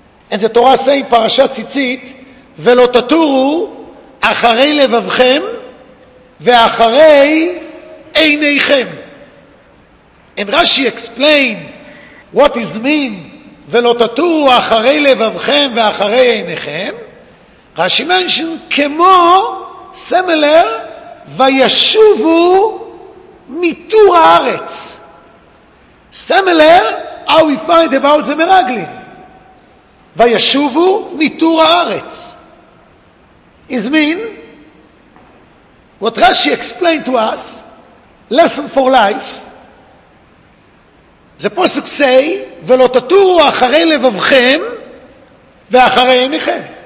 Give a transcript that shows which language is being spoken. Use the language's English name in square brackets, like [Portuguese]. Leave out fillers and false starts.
[English] And the Torah says, Parashat Tzitzit, [Hebrew] ולא תתורו אחרי לבבכם ואחרי עיניכם. [English] And Rashi explain what is mean, [Hebrew] ולא תתורו אחרי לבבכם ואחרי עיניכם. [English] Rashi mentioned, כמו, similar, [Hebrew] וישובו מיתור הארץ. [English] Similar, how we find about the Meraglim. Vayashuvu mitur haaretz. It means, what Rashi explained to us, lesson for life, the posuk say, [Hebrew] ולא תתורו אחרי לבבכם ואחרי עיניכם.